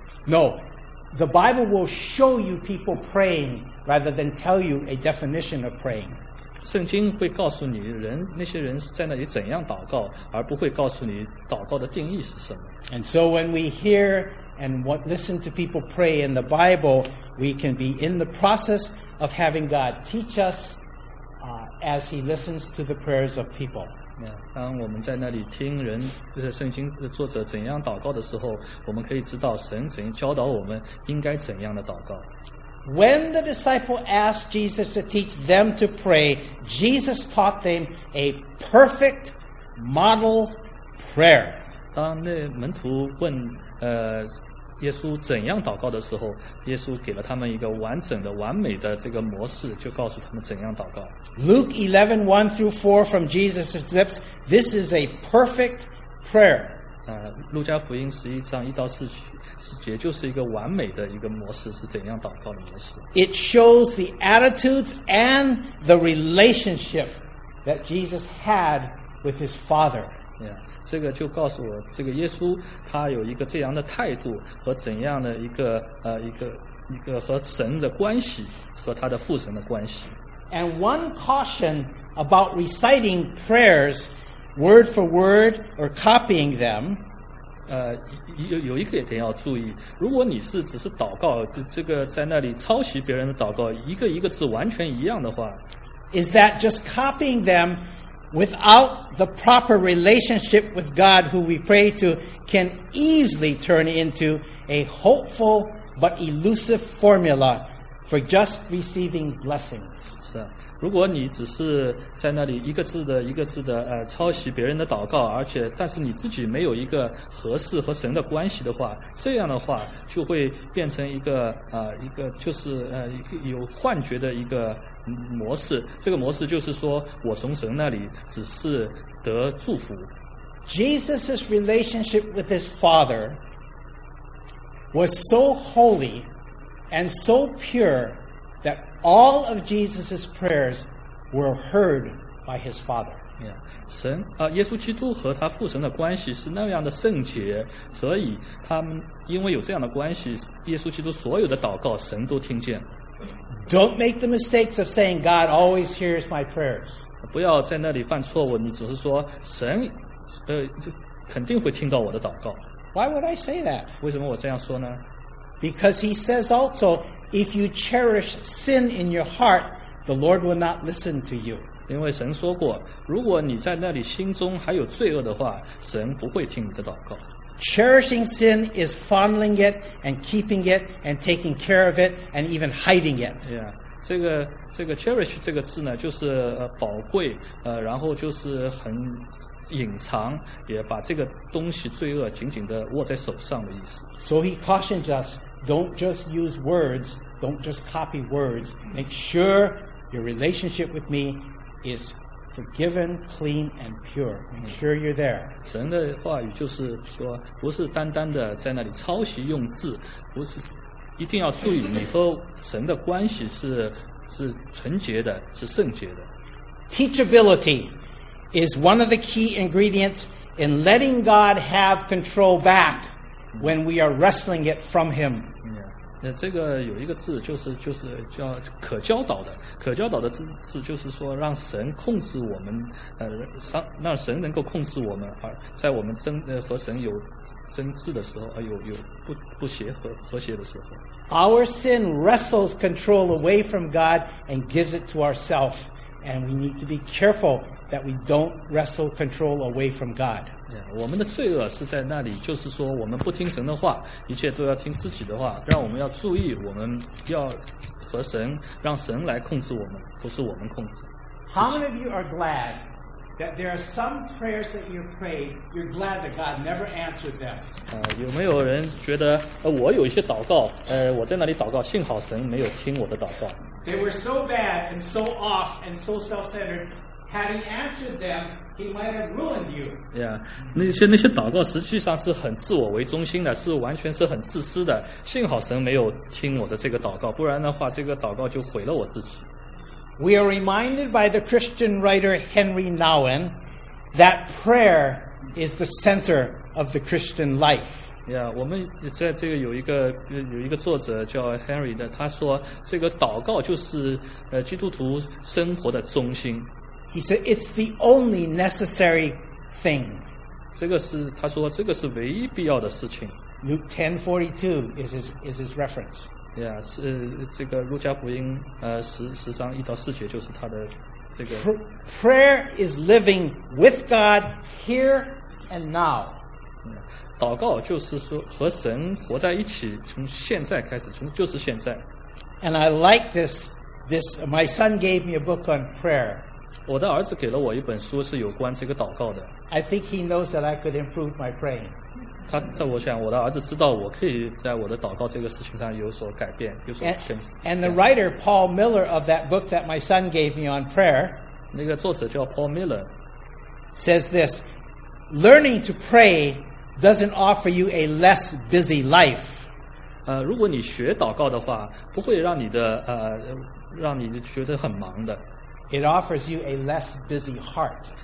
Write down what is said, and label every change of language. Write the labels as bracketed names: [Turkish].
[English] no the Bible will show you people praying rather than tell you a definition of praying [Chinese] 圣经会告诉你人那些人是在那里怎样祷告而不会告诉你祷告的定义是什么 [English] and so when we hear and listen to people pray in the Bible we can be in the process of having God teach us as he listens to the prayers of people Yeah, [Chinese] 当我们在那里听人这些圣经作者怎样祷告的时候我们可以知道神怎样教导我们应该怎样的祷告 [English] When the disciple asked Jesus to teach them to pray, Jesus taught them a perfect model prayer. [Chinese] 当那门徒问耶稣怎样祷告的时候，耶稣给了他们一个完整的、完美的这个模式，就告诉他们怎样祷告。 [English] Luke 11, 1 through 4 from Jesus' lips, this is a perfect prayer. [Chinese] 路加福音11章1到4节也就是一个完美的一个模式是怎样祷告的模式 [English] It shows the attitudes and the relationship that Jesus had with his father yeah, [Chinese] 这个就告诉我这个耶稣他有一个这样的态度和怎样的一个和神的关系和他的父神的关系 [English] And one caution about reciting prayers word for word or copying them [Chinese] 有一个点要注意如果你是只是祷告这个在那里抄袭别人的祷告一个一个字完全一样的话 [English] Is that just copying them without the proper relationship with God who we pray to can easily turn into a hopeful but elusive formula for just receiving blessings [Chinese] 是啊如果你只是在那里一个字的一个字的抄袭别人的祷告而且但是你自己没有一个合适和神的关系的话这样的话就会变成一个就是有幻觉的一个模式这个模式就是说我从神那里只是得祝福 [English] Jesus' relationship with his father was so holy and so pure thatAll of Jesus' prayers were heard by his father. Yeah. [Chinese] 神耶稣基督和他父神的关系是那样的圣洁，所以他们因为有这样的关系，耶稣基督所有的祷告神都听见。 [English] Don't make the mistakes of saying God always hears my prayers. [Chinese] 不要在那里犯错误，你只是说神肯定会听到我的祷告。 [English] Why would I say that? [Chinese] 为什么我这样说呢？ [English] Because he says also, if you cherish sin in your heart, the Lord will not listen to you. [Chinese] 因为神说过，如果你在那里心中还有罪恶的话，神不会听你的祷告。 [English] Cherishing sin is fondling it and keeping it and taking care of it and even hiding it. Yeah, [Chinese] 这个 cherish 这个字呢，就是宝贵，然后就是很隐藏，也把这个东西罪恶紧紧的握在手上的意思。 [English] So he cautions us, don't just use words, don't just copy words. Make sure your relationship with me is forgiven, clean, and pure. Make sure you're there. [Chinese] 神的话语就是说，不是单单的在那里抄袭用字，不是一定要注意你和神的关系是纯洁的，是圣洁的。 [English] Teachability is one of the key ingredients in letting God have control back when we are wrestling it from Him. [Chinese] 这个有一个字就是叫可教导的，可教导的字就是说让神控制我们，让神能够控制我们，而在我们和神有争执的时候，有不协和谐的时候。 [English] Our sin wrestles control away from God and gives it to ourselves, and we need to be careful that we don't wrestle control away from God. Yeah, [Chinese] 我们的罪恶是在那里，就是说我们不听神的话，一切都要听自己的话，让我们要注意，我们要和神，让神来控制我们，不是我们控制自己。 [English] How many of you are glad that there are some prayers that you prayed, you're glad that God never answered them? [Chinese] 有没有人觉得，我有一些祷告，我在那里祷告，幸好神没有听我的祷告。 [English] They were so bad and so off and so self-centered, had he answered them,He might have ruined you. Yeah, [Chinese] 那些祷告实际上是很自我为中心的，是完全是很自私的。幸好神没有听我的这个祷告，不然的话，这个祷告就毁了我自己。 [English] We are reminded by the Christian writer Henry Nouwen that prayer is the center of the Christian life. Yeah, [Chinese] 我们在这个有一个作者叫 Henry 的，他说这个祷告就是基督徒生活的中心。 [English] He said, it's the only necessary thing. [Chinese] 他说这个是唯一必要的事情。 [English] Luke 10:42 is his reference. Yeah, [Chinese] 是这个路加福音十章一到四节就是他的这个。 [English] Prayer is living with God here and now. [Chinese] 祷告就是说和神活在一起，从现在开始，就是现在。 [English] And I like this, my son gave me a book on prayer. [Chinese] 我的儿子给了我一本书，是有关这个祷告的。 [English] I think he knows that I could improve my praying. [Chinese] 他我想我的儿子知道我可以在我的祷告这个事情上有所改变，有所更。 [English] And the writer Paul Miller of that book that my son gave me on prayer, [Chinese] 那个作者叫 Paul Miller, [English] says this: Learning to pray doesn't offer you a less busy life. [Chinese] 如果你学祷告的话，不会让你的让你觉得很忙的。 [English] It offers you a less busy heart.